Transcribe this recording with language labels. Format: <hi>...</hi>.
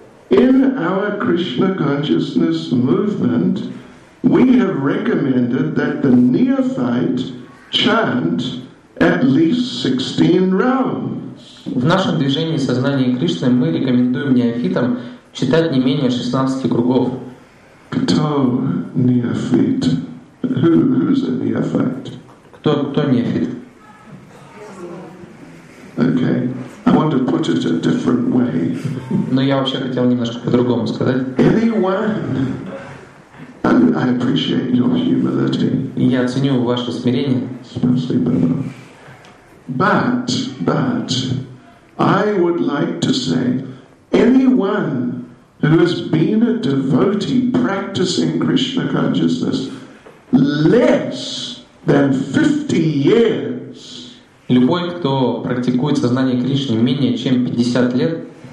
<en>In our Krishna consciousness movement, we have recommended that the neophyte chant at least 16 rounds.</en> <ru>В нашем движении сознания Кришны мы рекомендуем неофитам читать не менее 16 кругов. Кто неофит?</ru> <en>Who's a neophyte?</en> <ru>Кто неофит?</ru> <en>Okay. I want to put it a different way.</en> <ru>Но я вообще хотел немножко по-другому сказать.</ru> <en>Anyone? I appreciate your humility.</en> <ru>Я ценю ваше смирение.</ru> <en>Especially Baba. But I would like to say, anyone who has been a devotee practicing Krishna consciousness less than 50 years.</en> <ru>Любой, кто практикует сознание Кришны менее чем 50 лет.</ru>